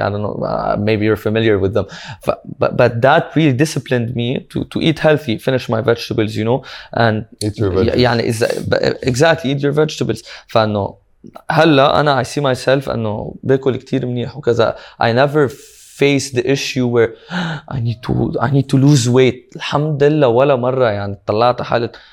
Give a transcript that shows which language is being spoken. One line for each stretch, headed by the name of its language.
English: I don't know, maybe you're familiar with them. But that really disciplined me to eat healthy, finish my vegetables, you know, and eat your vegetables. يعني exactly, eat your vegetables.
Arabic: فأنه هلا أنا I see myself أنه بأكل كتير منيح وكذا.
English: I never face the issue where I need to lose weight.
Arabic: الحمد لله ولا مرة يعني طلعت حالة